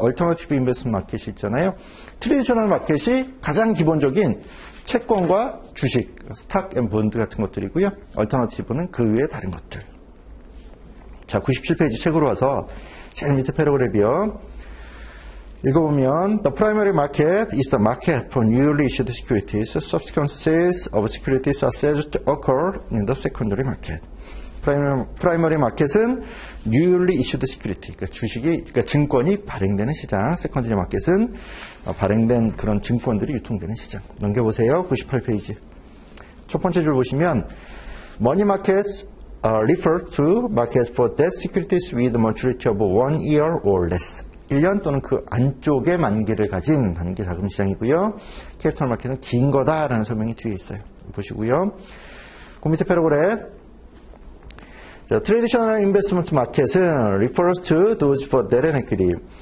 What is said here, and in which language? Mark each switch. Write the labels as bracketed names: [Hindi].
[Korean] 얼터너티브 인베스먼트 마켓이 있잖아요. 트레디셔널 마켓이 가장 기본적인 채권과 주식, 스탁 앤 본드 같은 것들이고요. 얼터너티브는 그 외에 다른 것들. 자, 97페이지 책으로 와서 제일 밑에 패러그래프요. 읽어보면 [English] The primary market is the market for newly issued securities. Subsequent sales of securities are said to occur in the secondary market. [Korean] 프라이머리 마켓은 [English] newly issued security, [Korean] 그러니까 주식이, 그러니까 증권이 발행되는 시장. 세컨더리 마켓은 발행된 그런 증권들이 유통되는 시장. 넘겨보세요. 98페이지. 첫 번째 줄 보시면 [English] money markets refer to markets for debt securities with maturity of 1 year or less. [Korean] 1년 또는 그 안쪽에 만기를 가진 단기 자금 시장이고요. 캐피탈 마켓은 긴 거다라는 설명이 뒤에 있어요. 보시고요. 그 밑에 패러그래프. [English] The traditional investment market은 refers to those for debt and equity.